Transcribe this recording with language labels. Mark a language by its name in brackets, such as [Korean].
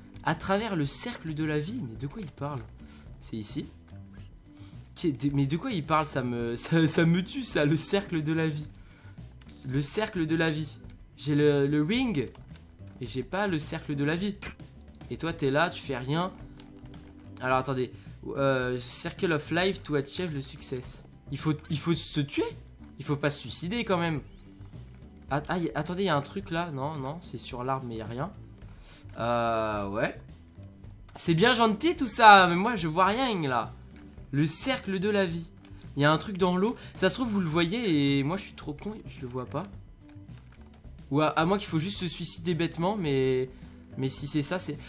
[French] À travers le cercle de la vie, mais de quoi il parle ? C'est ici. Mais de quoi il parle? Ça me tue, ça, le cercle de la vie. Le cercle de la vie. J'ai le ring, et j'ai pas le cercle de la vie. Et toi, t'es là, tu fais rien. Alors, attendez. [English] Circle of life to achieve le success. [French] Il faut se tuer? Il faut pas se suicider, quand même. Attendez, il y a un truc, là. Non, non, c'est sur l'arbre, mais il y a rien. Ouais. C'est bien gentil tout ça, mais moi je vois rien là. Le cercle de la vie. Il y a un truc dans l'eau. Ça se trouve, vous le voyez et moi je suis trop con, je le vois pas. Ou à moins qu'il faut juste se suicider bêtement, mais. Mais si c'est ça, c'est.